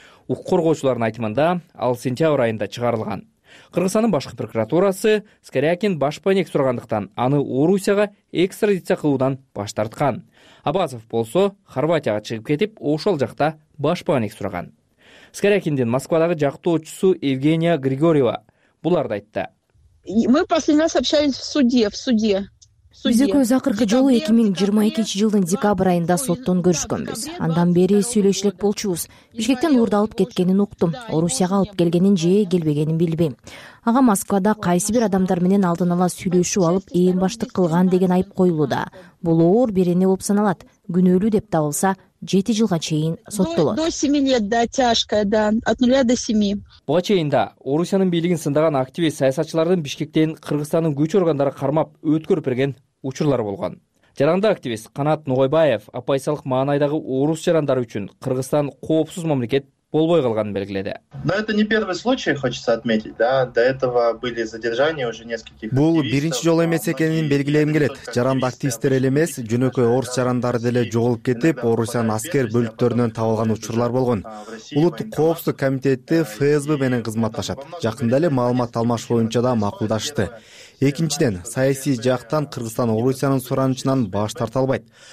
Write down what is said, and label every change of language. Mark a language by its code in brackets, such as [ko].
[ky] Укук коргоочулардын айтымында ал сентябрь айында чыгарылган. Кыргызстандын башкы прокуратурасы Скорякин башпайнек сурагандыктан аны Орусияга экстрадиция кылуудан баш тарткан. Абазов болсо Хорватияга чыгып кетип, ошол жакта башпайнек сураган. Скорякиндин Москвадагы жактоочусу Евгения Григорьева буларды айтты. [ru] Мы последний раз общались в суде. [ky] Биз экөөбүз акыркы жолу 2022 жылдын декабрь айында соттон көрүшкөнбүз. Андан бери сүйлөшө элек болчубуз. Бишкектен уурдалып кеткенин уктум. Орусияга алып келгенин же келбегенин билбейм. Ага Москвада кайсы бир адамдар менен алдын ала сүйлөшүп алып, ээн баштык кылган деген айып коюлууда. Бул оор берене болуп саналат. Күнөөлүү деп табылса, 7 жылга чейин соттолот. [ru] До 7 лет, да, тяжкое, да, от 0 до 7. [ky] Буга чейин да Орусиянын бийлигин сындаган активист саясатчылардын Бишкектен Кыргызстандын күч органдары кармап өткөрүп берген учурлар болгон. Жарандагы активист Канат Ногойбаев оппозициялык маанайдагы орус жарандары үчүн Кыргызстан коопсуз мамлекет болбой калганын белгиледи. [ru] Но это не первый случай, хочется отметить, да? До этого были задержания уже нескольких активистов. [ky] Бул биринчи жолу эмес экенин белгилегим келет. Жаранды активисттер эле эмес, жөнөкөй орус жарандары деле жоголуп кетип, Орусиянын аскер бөлүктөрүнөн табылган учурлар болгон. Улуттук коопсуздук комитети ФСБ менен кызматташат. Жакында эле маалымат алмаш боюнча да макулдашты. Экинчиден, саясий жактан Кыргызстан Орусиянын суранычынан баш тарта албайт.